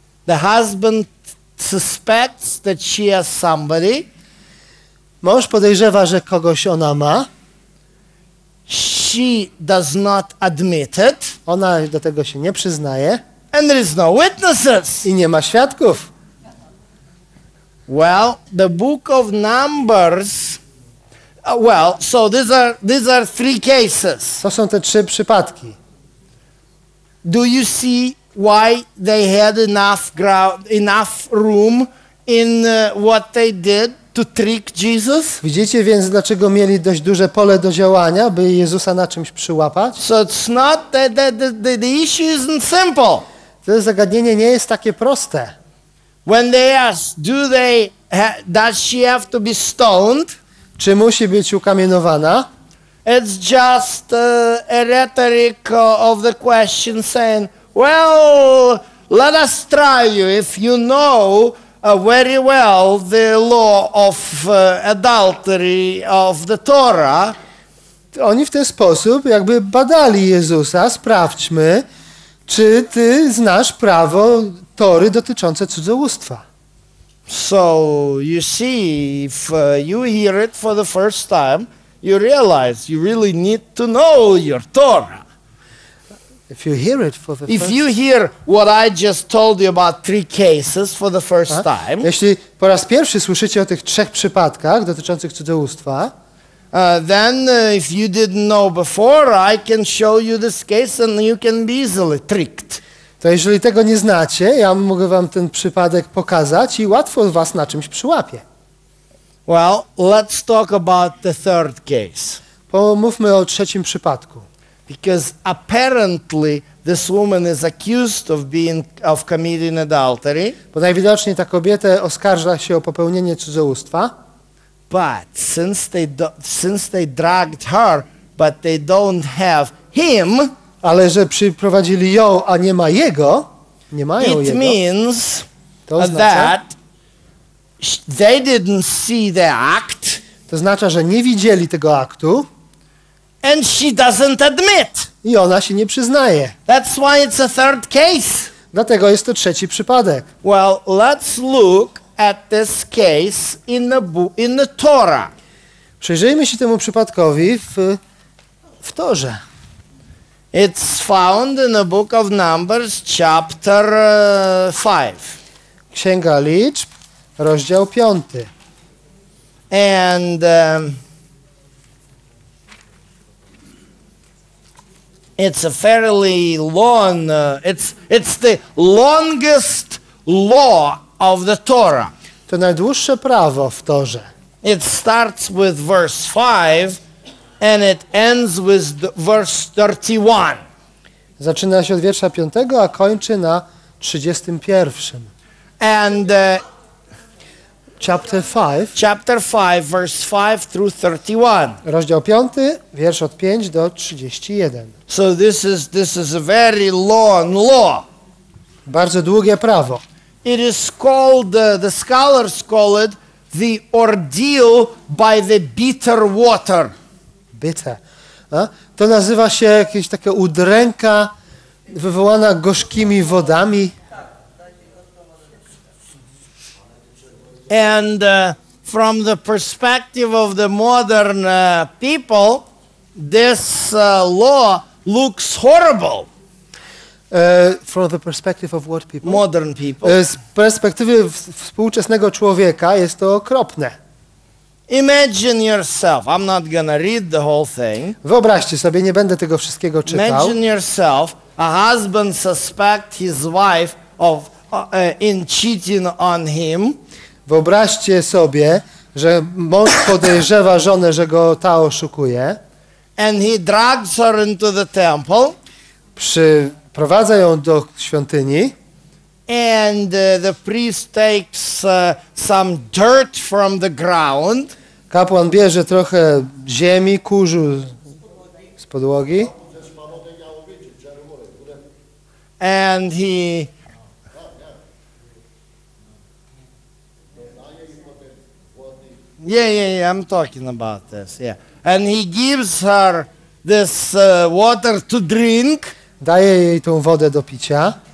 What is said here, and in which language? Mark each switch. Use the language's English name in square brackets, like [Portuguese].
[English] The husband suspects that she has somebody. [Polish] Mąż podejrzewa, że kogoś ona ma. [English] She does not admit it. [Polish] Ona do tego się nie przyznaje. [English] And there is no witnesses. [Polish] I nie ma świadków. [English] Well, the book of Numbers. Well, so these are three cases. [Polish] To są te trzy przypadki. [English] Do you see why they had enough room in what they did to trick Jesus? [Polish] Widzicie więc, dlaczego mieli dość duże pole do działania, by Jezusa na czymś przyłapać? [English] So it's not the issue isn't simple. [Polish] To zagadnienie nie jest takie proste. [English] When they ask, does she have to be stoned? [Polish] Czy musi być ukamienowana? [English] It's just a rhetoric of the question saying, well, let us try you if you know very well the law of adultery of the Torah. [Polish] Oni w ten sposób jakby badali Jezusa, sprawdźmy, czy ty znasz prawo Tory dotyczące cudzołóstwa. [English] So you see, if you hear it for the first time, you realize you really need to know your Torah. If you hear it for the if you hear what I just told you about three cases for the first time, [Polish] jeśli po raz pierwszy słyszycie o tych trzech przypadkach dotyczących cudzołóstwa, [English] then if you didn't know before, I can show you this case and you can be easily tricked. [Polish] To jeżeli tego nie znacie, ja mogę wam ten przypadek pokazać i łatwo was na czymś przyłapię. [English] Well, let's talk about the third case. [Polish] Pomówmy o trzecim przypadku. [English] Because apparently this woman is accused of committing adultery. [Polish] Bo najwidoczniej ta kobieta oskarża się o popełnienie cudzołóstwa. [English] But since they dragged her, but they don't have him. [Polish] Ale że przyprowadzili ją, a nie ma jego, nie mają [English] it [Polish] jego. [English] It means [Polish] to oznacza, [English] that they didn't see the act. [Polish] To oznacza, że nie widzieli tego aktu. [English] And she doesn't admit. [Polish] I ona się nie przyznaje. [English] That's why it's a third case. [Polish] Dlatego jest to trzeci przypadek. [English] Well, let's look at this case in the Torah. [Polish] Przyjrzyjmy się temu przypadkowi w Torze. [English] It's found in the book of Numbers, chapter 5. [Polish] Księga Liczb, rozdział 5. [English] And it's a fairly long, it's the longest law of the Torah. [Polish] To najdłuższe prawo w Torze. [English] It starts with verse 5. And it ends with verse 31. [Polish] Zaczyna się od wiersza 5, a kończy na 31. [English] And chapter 5, verse 5 through 31. [Polish] Rozdział 5, wiersz od 5 do 31. [English] So this is a very long law. [Polish] Bardzo długie prawo. [English] It is called the scholars call it the ordeal by the bitter water. Bitter. [Polish] To nazywa się jakieś takie udręka wywołana gorzkimi wodami. [English] And from the perspective of the modern people, this law looks horrible. From the perspective of what people? Modern people. [Polish] Z perspektywy współczesnego człowieka jest to okropne. [English] Imagine yourself. I'm not gonna read the whole thing. [Polish] Wyobraźcie sobie, nie będę tego wszystkiego czytał. [English] Imagine yourself, a husband suspects his wife of in cheating on him. [Polish] Wyobraźcie sobie, że mąż podejrzewa żonę, że go ta oszukuje. [English] And he drags her into the temple. [Polish] Przyprowadza ją do świątyni. [English] And the priest takes some dirt from the ground. [Polish] Kapłan bierze trochę ziemi, kurzu z podłogi. [English] And he I'm talking about this. Yeah. And he gives her this water to drink. [Polish] Daje jej tą wodę do picia.